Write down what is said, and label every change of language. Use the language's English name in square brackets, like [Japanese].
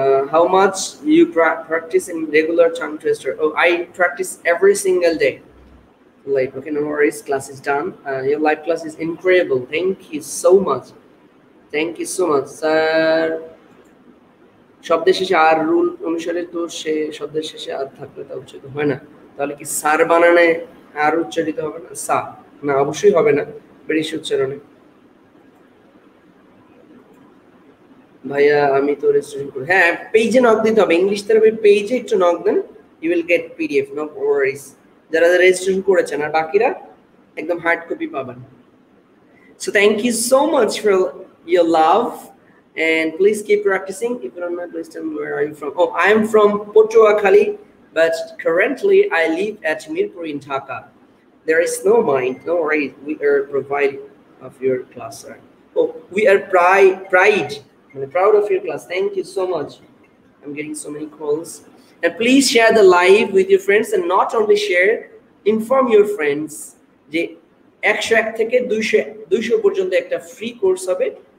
[English] How much you practice in regular tongue twister? Oh, I practice every single day. Like, okay, no worries. Class is done. Your live class is incredible. Thank you so much. Thank you so much, sir. [Bangla] শব্দের শেষে আর rule অনুসারে তো সে শব্দের শেষে আর থাকলে তা উচ্চারিত হয় না, তাহলে কি সার বানানে আর উচ্চারিত হবে না? সা না, অবশ্যই হবে না ব্রিটিশ উচ্চারণে। ভাইয়া আমি তো রেজিস্ট্রেশন করি, হ্যাঁ পেজে নক দিতে হবে, ইংলিশ থেরাপি পেজে একটু knock then, [English] you will get PDF, no worries, [Bangla] যারা যারা রেজিস্ট্রেশন করেছেন, আর বাকিরা একদম হার্ড কপি পাবেন। [English] So thank you so much for your love and please keep practising. If you are not, please tell me where are you from. Oh I am from Patuakhali, but currently I live at Mirpur in Dhaka. There is no mind, no worries, we are provide of your class sir. Oh we are pride, I'm proud of your class. Thank you so much. I'm getting so many calls. And please share the live with your friends, and not only share, inform your friends [Bangla] je 101 theke 200 200 porjonto ekta free course hobe.